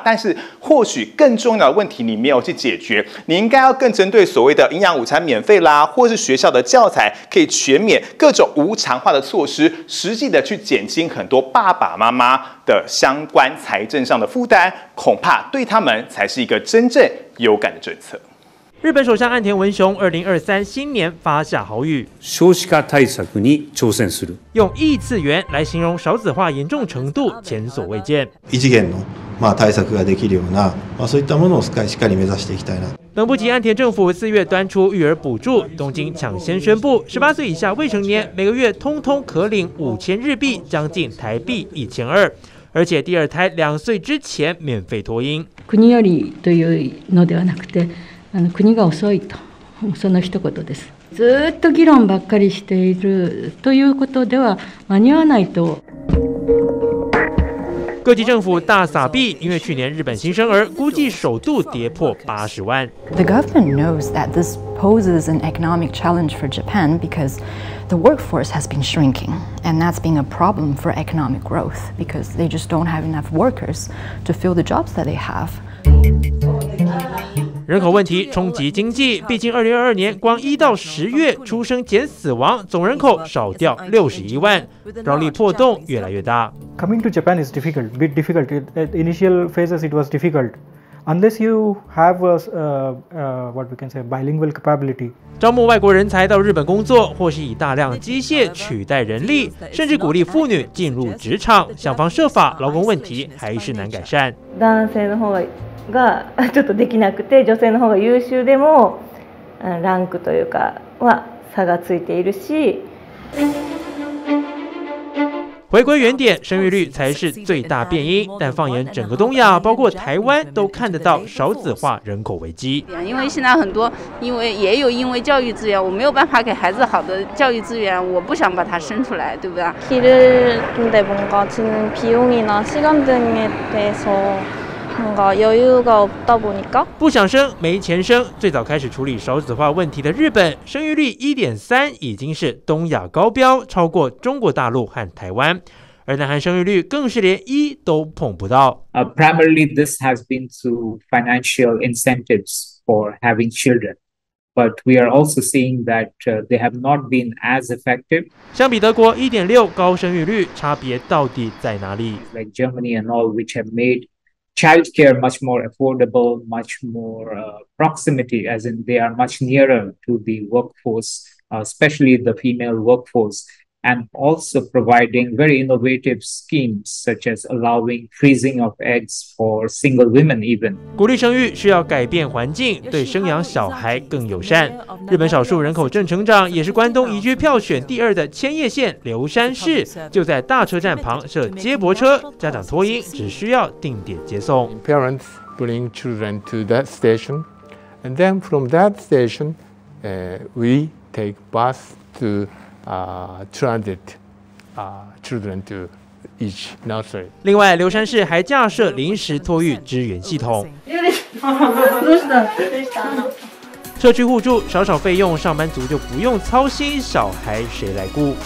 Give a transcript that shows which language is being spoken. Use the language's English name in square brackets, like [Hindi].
[Chinese] 但是或许更重要的问题你没有去解决，你应该要更针对所谓的营养午餐免费啦，或是学校的教材可以全免，各种无偿化的措施，实际的去减轻很多爸爸妈妈的相关财政上的负担，恐怕对他们才是一个真正有感的政策。日本首相岸田文雄2023新年发下豪语， [Japanese] 少子化対策に挑戦する， [Chinese] 用异次元来形容少子化严重程度前所未见。 [Japanese] 異次元の対策ができるような、そういったものをしっかり目指していきたいな。 [Chinese] 等不及岸田政府四月端出育儿补助，东京抢先宣布，18岁以下未成年每个月通通可领5000日币，将近台币1200。而且第二胎2岁之前免费托婴。 [Japanese] 国よりというのではなくて、国が遅いと、その一言です。ずっと議論ばっかりしているということでは間に合わないと。 [Chinese] 各级政府大撒币，因为去年日本新生儿估计首度跌破80万。 [English] The government knows that this poses an economic challenge for Japan because the workforce has been shrinking, and that's been a problem for economic growth because they just don't have enough workers to fill the jobs that they have. [Chinese] 人口问题冲击经济，毕竟2022年光1到10月出生减死亡，总人口少掉61万，劳力破洞越来越大。 [English] Coming to Japan is difficult, bit difficult. At initial phases, it was difficult. Unless you have what we can say bilingual capability. [Chinese] 招募外国人才到日本工作，或是以大量机械取代人力，甚至鼓励妇女进入职场，想方设法，劳工问题还是难改善。 [Japanese] 男性の方がちょっとできなくて、女性の方が優秀でも、ランクというかは差がついているし。 [Chinese] 回归原点，生育率才是最大变因。但放眼整个东亚，包括台湾，都看得到少子化人口危机。因为现在很多，因为教育资源，我没有办法给孩子好的教育资源，我不想把他生出来，对不对？ [Korean] 키를근데뭔가지는비용이나시간등에대해서뭔가여유가없다보니까 [Chinese] 不想生，没钱生。最早开始处理少子化问题的日本，生育率 1.3 已经是东亚高标，超过中国大陆和台湾。而南韩生育率更是连一都碰不到。 [English] Primarily, this has been through financial incentives for having children. But we are also seeing that they have not been as effective. [Chinese] 相比德国 1.6 高生育率，差别到底在哪里？ [English] Like Germany and all, which have made childcare much more affordable, much more proximity, as in they are much nearer to the workforce, especially the female workforce, and also providing very innovative schemes such as allowing freezing of eggs for single women even. [Chinese] 鼓励生育需要改变环境，对生养小孩更友善。日本少数人口正成长，也是关东宜居票选第二的千叶县流山市，就在大车站旁设接驳车，家长托婴只需要定点接送。 [English] Parents bring children to that station, and then from that station, we take bus to transit children to each nursery. [Chinese] 另外，流山市还架设临时托育支援系统。社区互助，少少费用，上班族就不用操心小孩谁来顾。